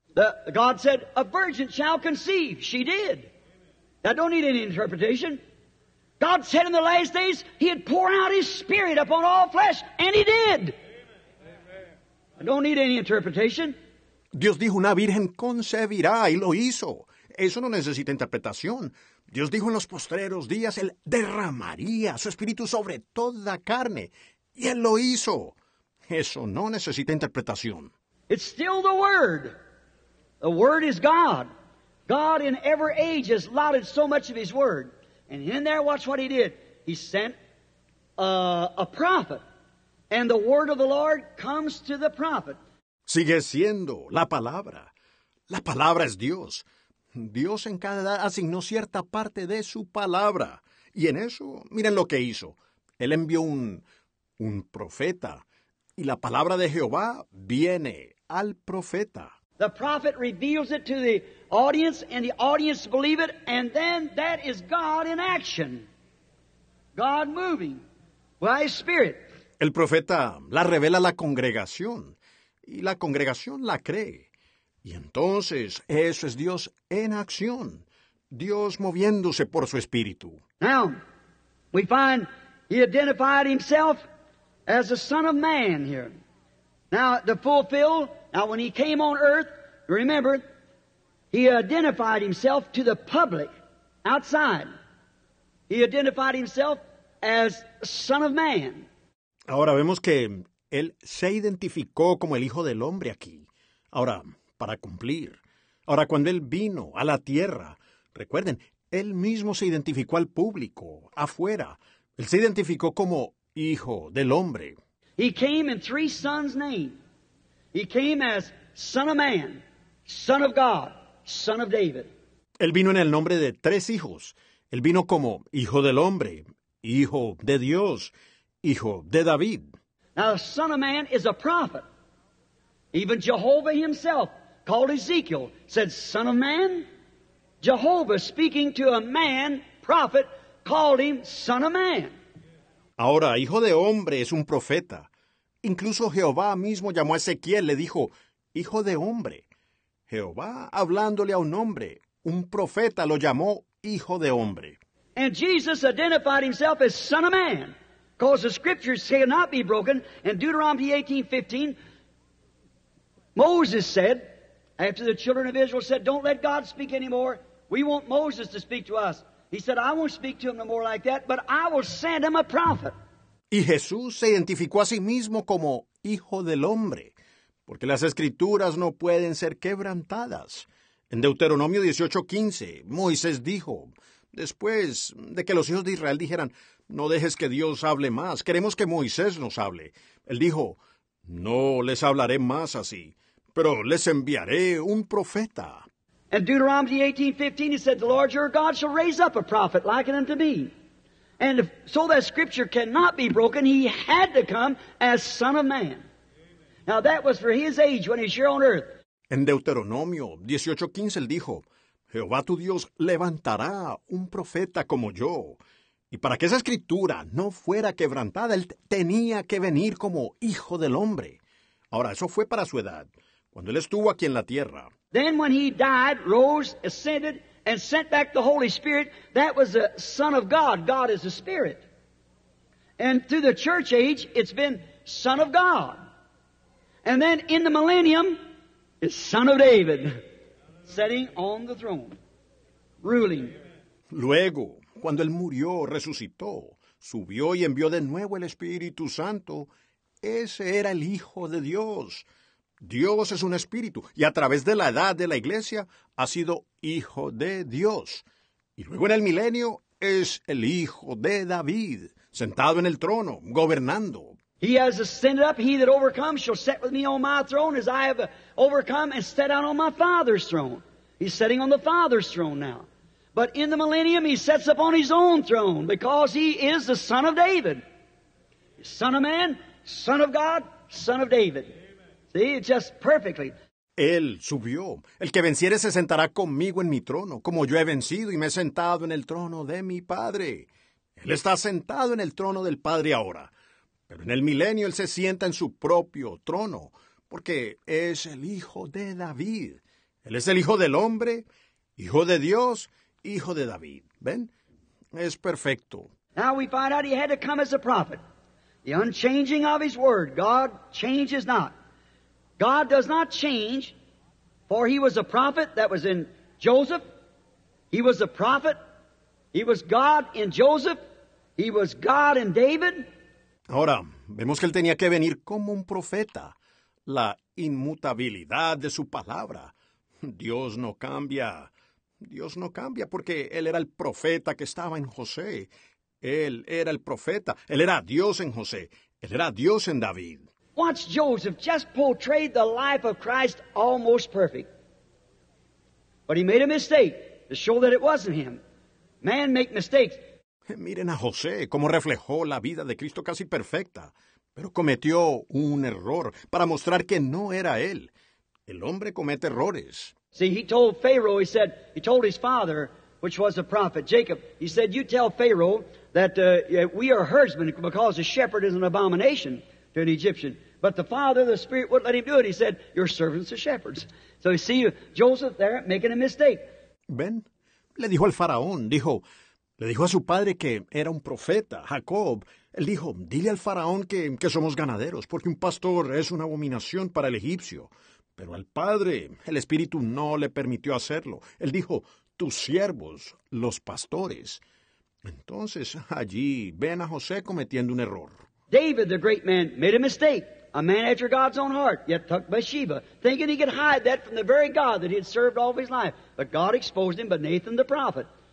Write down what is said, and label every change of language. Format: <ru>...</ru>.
<en>God said, a virgin shall conceive. She did. I don't need any interpretation. God said in the last days, He'd pour out His Spirit upon all flesh, and He did. I don't need any interpretation.</en> <es>Dios dijo, una virgen concebirá, y lo hizo. Eso no necesita interpretación. Dios dijo, en los postreros días, Él derramaría su Espíritu sobre toda carne, y Él lo hizo. Eso no necesita interpretación.</es> <en>It's still the Word. The Word is God. God in every age has allotted so much of His Word. And in there, watch what He did. He sent a prophet, and the Word of the Lord comes to the prophet.</en> <es>Sigue siendo la palabra. La palabra es Dios. Dios en cada edad asignó cierta parte de su palabra. Y en eso, miren lo que hizo. Él envió un profeta. Y la palabra de Jehová viene al profeta.</es> <en>The prophet reveals it to the audience, and the audience believe it, and then that is God in action. God moving by His Spirit.</en> <es>El profeta la revela a la congregación. Y la congregación la cree. Y entonces, eso es Dios en acción. Dios moviéndose por su Espíritu.</es> <en>Now, we find He identified Himself as the Son of Man here. Now, when He came on earth, remember, He identified Himself to the public outside. He identified Himself as Son of Man.</en> <es>Ahora vemos que Él se identificó como el Hijo del Hombre aquí. Ahora, para cumplir. Ahora, cuando Él vino a la tierra, recuerden, Él mismo se identificó al público, afuera. Él se identificó como Hijo del Hombre.</es> <en>He came in three sons' names. He came as Son of Man, Son of God, Son of David.</en> <es>Él vino en el nombre de tres hijos. Él vino como Hijo del Hombre, Hijo de Dios, Hijo de David.</es> <en>Now, the Son of Man is a prophet. Even Jehovah himself, called Ezekiel, said, Son of Man? Jehovah, speaking to a man, prophet, called him Son of Man.</en> <es>Ahora, Hijo de Hombre es un profeta. Incluso Jehová mismo llamó a Ezequiel, le dijo, Hijo de Hombre. Jehová, hablándole a un hombre, un profeta, lo llamó Hijo de Hombre.</es> <en>And Jesus identified himself as Son of Man. Because the scriptures cannot be broken. In Deuteronomy 18:15, Moses said, after the children of Israel said, don't let God speak anymore. We want Moses to speak to us. He said, I won't speak to him no more like that, but I will send him a prophet.</en> <es>Y Jesús se identificó a sí mismo como Hijo del Hombre, porque las Escrituras no pueden ser quebrantadas. En Deuteronomio 18:15, Moisés dijo, después de que los hijos de Israel dijeran, no dejes que Dios hable más, queremos que Moisés nos hable. Él dijo, no les hablaré más así, pero les enviaré un profeta. En Deuteronomio</es> <en>18:15, he said, the Lord your God shall raise up a prophet like unto me. And if, so that scripture cannot be broken, he had to come as Son of Man. Now that was for his age when he's here on earth.</en> <es>En Deuteronomio 18:15, él dijo, Jehová tu Dios levantará un profeta como yo. Y para que esa escritura no fuera quebrantada, él tenía que venir como Hijo del Hombre. Ahora, eso fue para su edad, cuando él estuvo aquí en la tierra.</es> <en>Then when he died, rose, ascended, and sent back the Holy Spirit, that was the Son of God. God is a Spirit. And through the church age, it's been Son of God. And then in the millennium, it's Son of David, sitting on the throne, ruling.</en> <es>Luego, cuando él murió, resucitó, subió y envió de nuevo el Espíritu Santo. Ese era el Hijo de Dios. Dios es un espíritu, y a través de la edad de la iglesia ha sido Hijo de Dios. Y luego en el milenio es el Hijo de David, sentado en el trono, gobernando.</es> <en>He has ascended up, he that overcomes shall sit with me on my throne, as I have overcome and sat down on my Father's throne. He's sitting on the Father's throne now. But in the millennium he sets up on his own throne, because he is the Son of David. Son of man, Son of God, Son of David. See, just perfectly.</en> <es>Él subió. El que venciere se sentará conmigo en mi trono, como yo he vencido y me he sentado en el trono de mi Padre. Él está sentado en el trono del Padre ahora. Pero en el milenio Él se sienta en su propio trono, porque es el Hijo de David. Él es el Hijo del Hombre, Hijo de Dios, Hijo de David. ¿Ven? Es perfecto.</es> <en>Now we find out He had to come as a prophet. The unchanging of His Word. God changes not. God does not change, for He was a prophet that was in Joseph. He was a prophet. He was God in Joseph. He was God in David.</en> <es>Ahora, vemos que Él tenía que venir como un profeta. La inmutabilidad de su palabra. Dios no cambia. Dios no cambia porque Él era el profeta que estaba en José. Él era el profeta. Él era Dios en José. Él era Dios en David.</es> <en>Watch Joseph just portrayed the life of Christ almost perfect. But he made a mistake to show that it wasn't him. Man make mistakes.</en> <es>Miren a José, cómo reflejó la vida de Cristo casi perfecta, pero cometió un error para mostrar que no era él. El hombre comete errores.</es> <en>See, he told Pharaoh, he said, he told his father, which was a prophet, Jacob, he said, you tell Pharaoh that we are herdsmen because a shepherd is an abomination to an Egyptian. But the father, the spirit, wouldn't let him do it. He said, your servants are shepherds. So you see Joseph there making a mistake.</en> <es>Ben, le dijo al faraón, dijo, le dijo a su padre que era un profeta, Jacob. Él dijo, dile al faraón que somos ganaderos, porque un pastor es una abominación para el egipcio. Pero al padre, el espíritu no le permitió hacerlo. Él dijo, tus siervos, los pastores. Entonces, allí ven a José cometiendo un error.</es> <en>David, the great man, made a mistake. A man after God's own heart, yet took Bathsheba, thinking he could hide that from the very God that he had served all of his life. But God exposed him by Nathan the prophet.</en>